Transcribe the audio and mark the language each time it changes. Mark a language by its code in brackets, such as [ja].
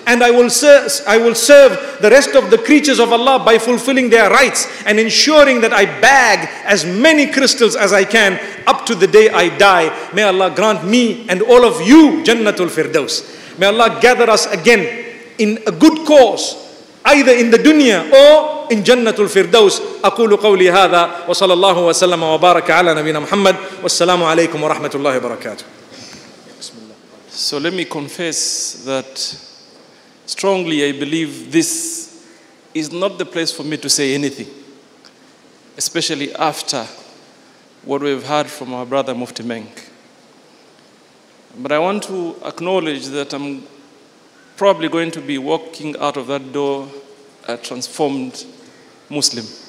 [en] And I will serve the rest of the creatures of Allah by fulfilling their rights and ensuring that I bag as many crystals as I can up to the day I die. May Allah grant me and all of you Jannatul Firdaus. May Allah gather us again in a good cause, either in the dunya or in Jannatul Firdaus. [ar] أقول قولي هذا وصلى الله وسلم وبارك على نبينا محمد والسلام عليكم ورحمة الله وبركاته. [en] So let me confess that strongly I believe this is not the place for me to say anything, especially after what we've heard from our brother Mufti Menk. But I want to acknowledge that I'm probably going to be walking out of that door a transformed Muslim.